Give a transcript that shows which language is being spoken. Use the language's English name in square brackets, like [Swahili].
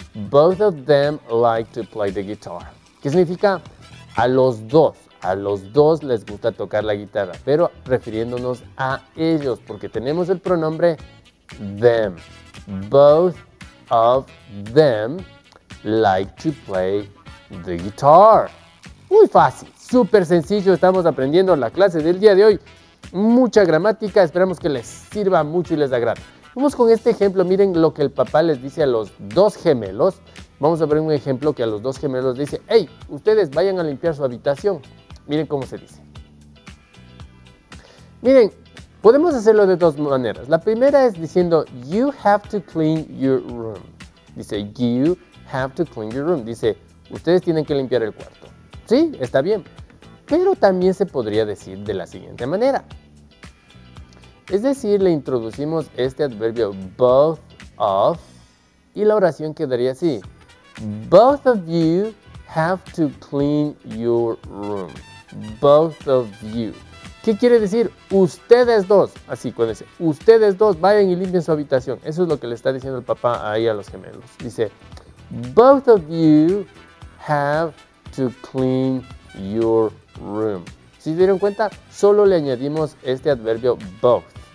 [English] Both of them like to play the guitar. [Spanish] ¿Qué significa? A los dos. A los dos les gusta tocar la guitarra, pero refiriéndonos a ellos, porque tenemos el pronombre them. [English] Both of them like to play the guitar. [Spanish] Muy fácil, súper sencillo. Estamos aprendiendo la clase del día de hoy. Mucha gramática. Esperamos que les sirva mucho y les agrade. Vamos con este ejemplo. Miren lo que el papá les dice a los dos gemelos. Vamos a ver un ejemplo que a los dos gemelos dice, hey, ustedes vayan a limpiar su habitación. Miren cómo se dice. Miren, podemos hacerlo de dos maneras. La primera es diciendo, [English] you have to clean your room. [Spanish] Dice, [English] you have to clean your room. [Spanish] Dice, ustedes tienen que limpiar el cuarto. Sí, está bien. Pero también se podría decir de la siguiente manera. Es decir, le introducimos este adverbio both of y la oración quedaría así. [English] Both of you have to clean your room. Both of you. [Spanish] ¿Qué quiere decir? Ustedes dos. Así, cuando dice, ustedes dos, vayan y limpien su habitación. Eso es lo que le está diciendo el papá ahí a los gemelos. Dice, [English] both of you have to clean your room. [Spanish] ¿Sí se dieron cuenta? Solo le añadimos este adverbio both.